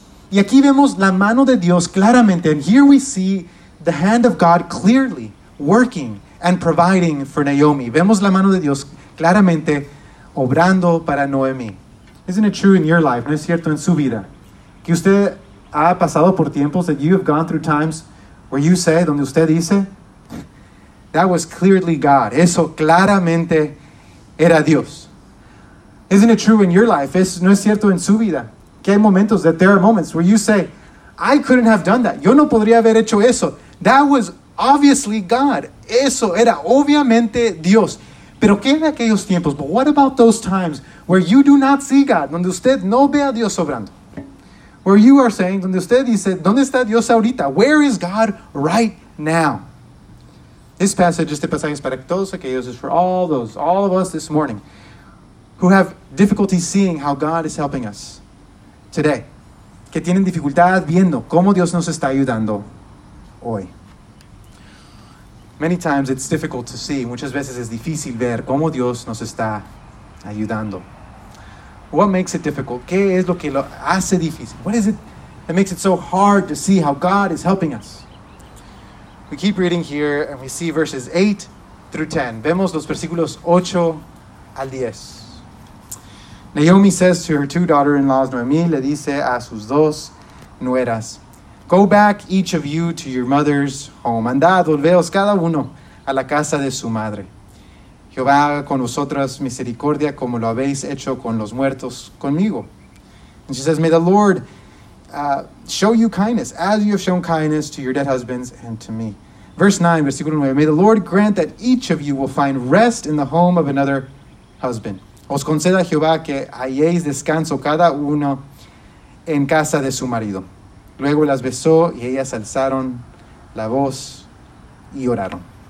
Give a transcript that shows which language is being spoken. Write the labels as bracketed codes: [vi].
[es] Y aquí vemos la mano de Dios claramente. [en] And here we see the hand of God clearly working and providing for Naomi. [es] Vemos la mano de Dios claramente obrando para Noemi. [en] Isn't it true in your life? [es] ¿No es cierto en su vida? Que usted ha pasado por tiempos, [en] that you have gone through times where you say, [es] donde usted dice, [en] that was clearly God. [es] Eso claramente era Dios. [en] Isn't it true in your life? [es] ¿No es cierto en su vida? Que hay momentos, [en] that there are moments where you say, I couldn't have done that. [es] Yo no podría haber hecho eso. [en] That was obviously God. [es] Eso era obviamente Dios. Pero ¿qué en aquellos tiempos? [en] But what about those times where you do not see God? [es] Donde usted no ve a Dios obrando. [en] Where you are saying, [es] donde usted dice, ¿dónde está Dios ahorita? [en] Where is God right now? This passage, [es] este pasaje es para todos aquellos, [en] is for all of us this morning, who have difficulty seeing how God is helping us today. [es] Que tienen dificultad viendo cómo Dios nos está ayudando hoy. [en] Many times it's difficult to see, [es] muchas veces es difícil ver cómo Dios nos está ayudando. [en] What makes it difficult? [es] ¿Qué es lo que lo hace difícil? [en] What is it that makes it so hard to see how God is helping us? We keep reading here and we see verses 8 through 10. [es] Vemos los versículos 8 al 10. [en] Naomi says to her two daughter-in-laws, [es] Noemi le dice a sus dos nueras, [en] go back each of you to your mother's home. [es] Andad, volveos cada uno a la casa de su madre. Jehová haga con vosotras misericordia como lo habéis hecho con los muertos conmigo. [en] And she says, may the Lord show you kindness, as you have shown kindness to your dead husbands and to me. Verse 9, [es] versículo 9, [en] may the Lord grant that each of you will find rest in the home of another husband. [es] Os conceda Jehová que halléis descanso cada uno en casa de su marido. Luego las besó y ellas alzaron la voz y oraron.